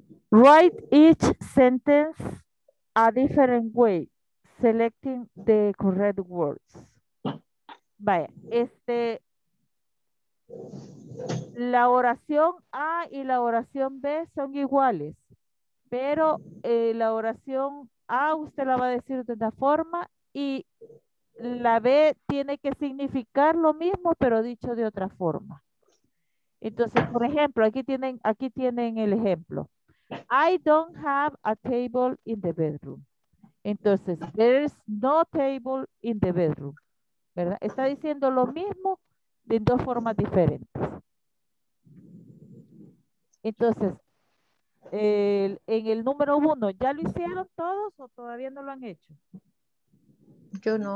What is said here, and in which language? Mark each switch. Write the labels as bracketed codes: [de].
[en] Write each sentence a different way, selecting the correct words. [es] Vaya, este, la oración A y la oración B son iguales, pero la oración A usted la va a decir de una forma y la B tiene que significar lo mismo, pero dicho de otra forma. Entonces, por ejemplo, aquí tienen el ejemplo. [en] I don't have a table in the bedroom. [es] Entonces, [en] there's no table in the bedroom. [es] ¿Verdad? Está diciendo lo mismo de dos formas diferentes. Entonces, en el número uno, ¿ya lo hicieron todos o todavía no lo han hecho? Yo no.